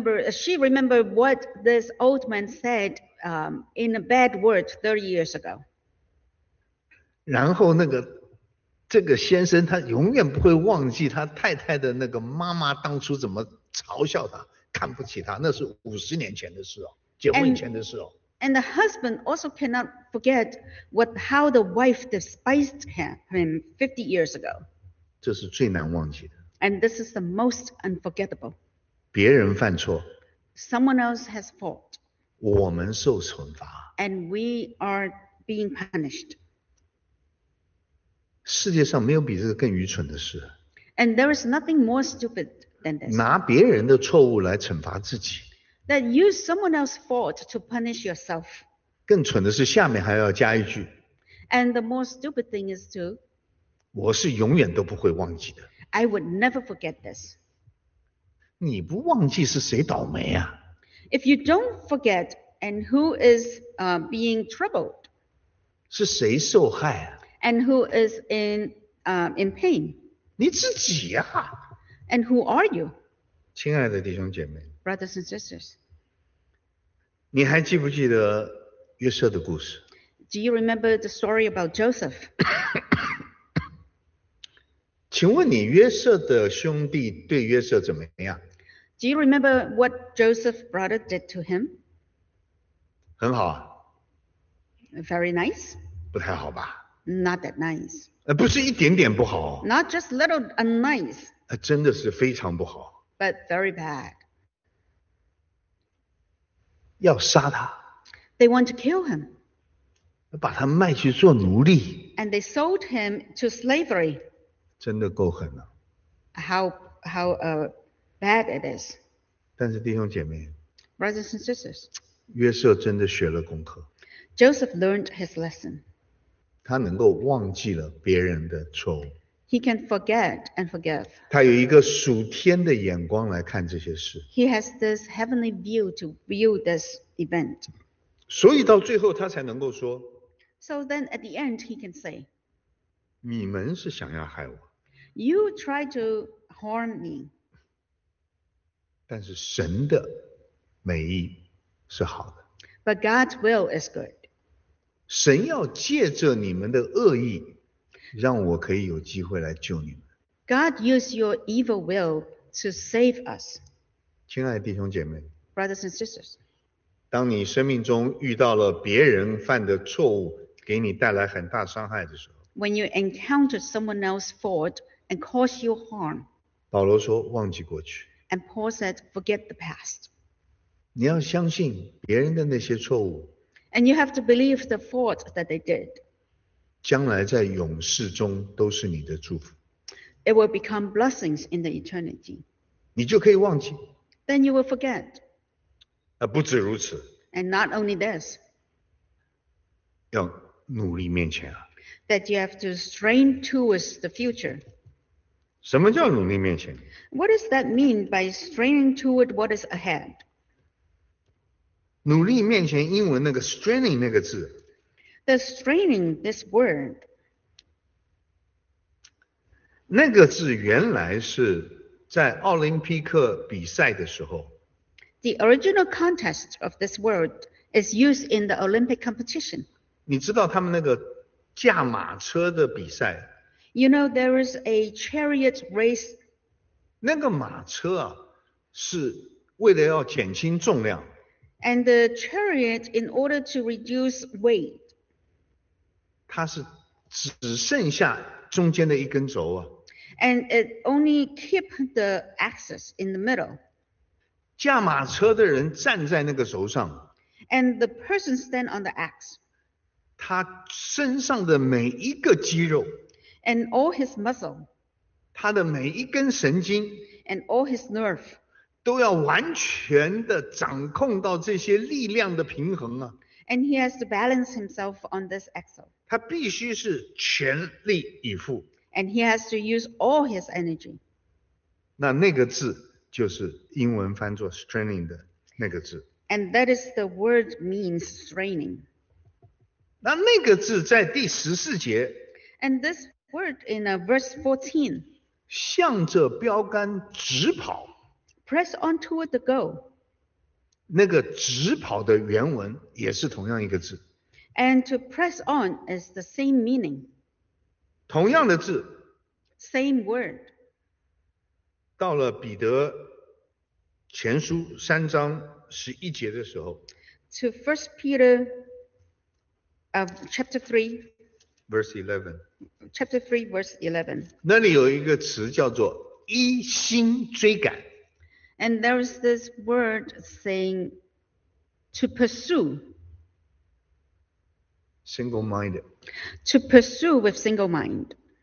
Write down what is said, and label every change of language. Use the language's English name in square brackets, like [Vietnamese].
[English] She remembered what this old man said in a bad word 30 years ago. [Chinese] 然后那个这个先生他永远不会忘记他太太的那个妈妈当初怎么嘲笑他看不起他那是50年前的事哦结婚前的事哦 [English] And the husband also cannot forget how the wife despised him 50 years ago. [Chinese] 这是最难忘记的。 [English] And this is the most unforgettable. [Chinese] 别人犯错。 [English] Someone else has fault. [Chinese] 我们受惩罚。 [English] And we are being punished. [Chinese] 世界上没有比这个更愚蠢的事。 [English] And there is nothing more stupid than this. [Chinese] 拿别人的错误来惩罚自己。 [English] That use someone else's fault to punish yourself. [Chinese] 更蠢的是下面还要加一句。 [English] And the more stupid thing is to... [Chinese] 我是永远都不会忘记的。 [English] I would never forget this. [Chinese] 你不忘记是谁倒霉啊 [English] ？If you don't forget, and who is being troubled? [Chinese] 是谁受害啊 [English] ？And who is in pain? [Chinese] 你自己啊 [English] ？And who are you? [Chinese] 亲爱的弟兄姐妹 [English] ，Brothers and sisters， [Chinese] 你还记不记得约瑟的故事 [English] ？Do you remember the story about Joseph? [Chinese] 请问你约瑟的兄弟对约瑟怎么样 [English] ？Do you remember what Joseph's brother did to him？ [Chinese] 很好啊。 [English] Very nice。 [Chinese] 不太好吧 [English] ？Not that nice。 [Chinese] 不是一点点不好。 [English] Not just little unnice。 [Chinese] 真的是非常不好。 [English] But very bad。 [Chinese] 要杀他。 [English] They want to kill him。 [Chinese] 把他卖去做奴隶。 [English] And they sold him to slavery。 [Chinese] 真的够狠了、 [English] 啊。How bad it is. [Chinese] 但是弟兄姐妹。 [English] Brothers and sisters. [Chinese] 约瑟真的学了功课。 [English] Joseph learned his lesson. [Chinese] 他能够忘记了别人的错误。 [English] He can forget and forgive. [Chinese] 他有一个属天的眼光来看这些事。 [English] He has this heavenly view to view this event. [Chinese] 所以到最后他才能够说。 [English] So then at the end he can say. [Chinese] 你们是想要害我。 [English] You try to harm me. [Chinese] 但是神的美意是好的。 [English] But God's will is good. [Chinese] 神要借着你们的恶意让我可以有机会来救你们。 [English] God used your evil will to save us. [Chinese] 亲爱的弟兄姐妹。 [English] Brothers and sisters. [Chinese] 当你生命中遇到了别人犯的错误给你带来很大伤害的时候。 [English] When you encounter someone else's fault and cause you harm. [Chinese] 保罗说忘记过去。 [English] And Paul said forget the past. [Chinese] 你要相信别人的那些错误。 [English] And you have to believe the fault that they did. [Chinese] 将来在永世中都是你的祝福。 [English] It will become blessings in the eternity. [Chinese] 你就可以忘记。 [English] Then you will forget. [Chinese] 不止如此。 [English] And not only this. [Chinese] 要努力面前啊。 [English] That you have to strain towards the future. [Chinese] 什么叫努力面前？ [English] What does that mean by straining toward what is ahead? [Chinese] 努力面前英文那个 straining 那个字 [English] The straining this word [Chinese] 那个字原来是在奥林匹克比赛的时候 [English] The original context of this word is used in the Olympic competition [Chinese] 你知道他们那个驾马车的比赛 [English] You know there is a chariot race [Chinese] 那个马车啊是为了要减轻重量 [English] And the chariot, in order to reduce weight, [Chinese] 它是只剩下中间的一根轴啊。 [English] And it only keep the axis in the middle. [Chinese] 驾马车的人站在那个轴上。 [English] And the person stand on the axe. [Chinese] 他身上的每一个肌肉。 [English] And all his muscle. [Chinese] 他的每一根神经。 [English] And all his nerve. [Chinese] 都要完全的掌控到这些力量的平衡啊。 [English] And he has to balance himself on this axle. [Chinese] 他必须是全力以赴。 [English] And he has to use all his energy. [Chinese] 那那个字就是英文翻作 straining 的那个字。 [English] And that is the word means straining. [Chinese] 那那个字在第十四节。 [English] And this word in verse 14. [Chinese] 向着标杆直跑。 [English] Press on toward the goal. [Chinese] 那个直跑的原文也是同样一个字。 [English] And to press on is the same meaning. [Chinese] 同样的字。 [English] Same word. [Chinese] 到了彼得前书三章十一节的时候。 [English] To 1 Peter chapter 3. Verse 11. Chapter 3 verse 11. [Chinese] 那里有一个词叫做一心追赶。 [English] And there is this word saying to pursue. Single-minded. To pursue with single mind.